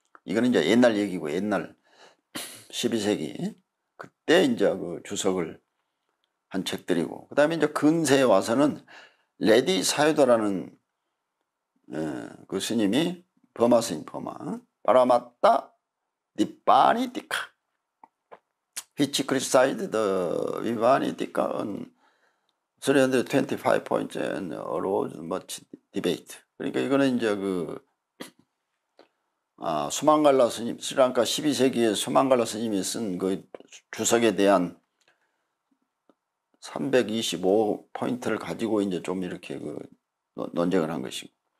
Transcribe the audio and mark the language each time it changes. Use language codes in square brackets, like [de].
[ko] 이거는 이제 옛날 얘기고, 옛날 12세기. 그때 이제 그 주석을 한 책들이고. 그 다음에 이제 근세에 와서는 레디 사유도라는 그 스님이 범하 스님, 범하. 바라마타 니바니티카. [en] Which criticized the Vibhanitika on 325 points and arose much debate. [ko] 그러니까 이거는 이제 그, 수만갈라 스님, 스리랑카 12세기에 수만갈라 스님이 쓴 그 주석에 대한 325 포인트를 가지고 이제 좀 이렇게 그 논쟁을 한 것이고.